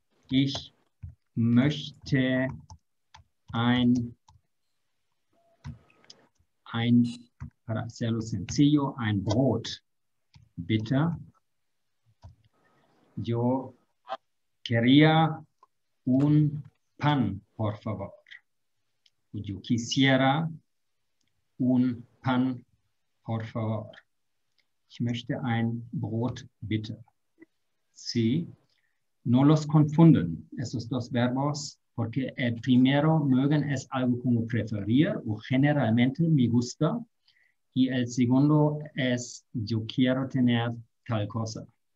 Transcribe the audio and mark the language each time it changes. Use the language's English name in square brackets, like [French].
[German] Ich möchte ein, [Spanish] para hacerlo sencillo, [German] ein Brot, bitte. [Spanish] Yo quería un pan, por favor. Yo quisiera un pan, por favor. [German] Ich möchte ein Brot, bitte. Sí. [Spanish] No los confunden, esos dos verbos, porque el primero, mögen, es algo como preferir o generalmente me gusta. Y el segundo es yo quiero tener tal cosa.